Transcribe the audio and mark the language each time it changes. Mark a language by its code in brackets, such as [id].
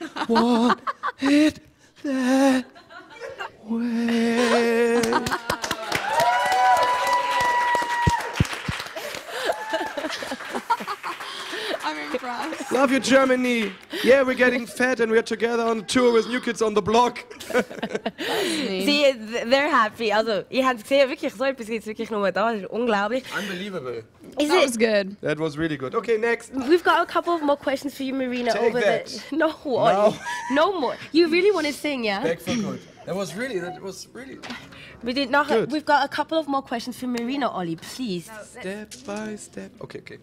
[en] want it that way. Love you, Germany. Yeah, we're getting fat and we're together on a tour with New Kids on the Block. See, they're happy. [de] Also, ihr habt gesehen, wirklich so etwas gibt's wirklich nur da. Unglaublich. [en] Unbelievable. That was good. That was really good. Okay, next. We've got a couple of more questions for you, Marina. Take over that. No more. You really want to sing, yeah? Back for good. That was really. We did not. We've got a couple of more questions for Marina, Olli, please. No, step by step. Okay.